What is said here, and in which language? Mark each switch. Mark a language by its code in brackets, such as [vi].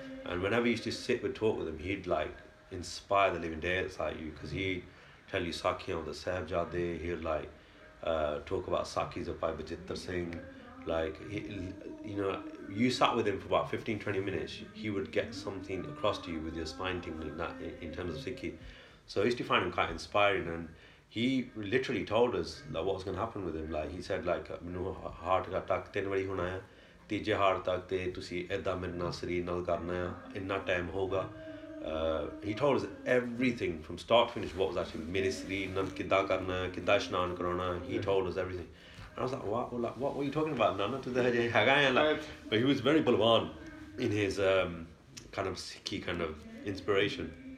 [en] And whenever he used to sit and talk with him, he'd like inspire the living daylights out of you, because he'd tell you Sakhiya of the Sahib Jade, he'd like talk about Sakhis of Bhai Bajitar Singh. Like, you sat with him for about 15-20 minutes, he would get something across to you with your spine tingling that in terms of Sikhi. So I used to find him quite inspiring, and he literally told us that what was going to happen with him. Like, he said, like, [pa] ਮਿਨੂ heart ਕਾ attack ਤਿਨ ਵਾਰੀ ਹੋਣਾ ਹੈ, ਤਿਜੇ heart ਤਕ ਤੇ ਤੁਸੀ ਐਦਾ ਮੇਰੇ ਨਾ ਸਰੀਰ ਨਾਲ ਕਰਨਾ ਹੈ, ਇੰਨਾ time ਹੋਗਾ। [en] He told us everything from start to finish, what was actually [pa] ਮੇਰੇ ਸਰੀਰ ਨਾਲ ਕਿੱਦਾ ਕਰਨਾ ਹੈ, ਕਿੱਦਾ ਇਸ਼ਨਾਨ ਕਰਨਾ। [en] He told us everything. And I was like, what were you talking about, Nana? But he was very Balwan in his kind of Sikhi kind of inspiration.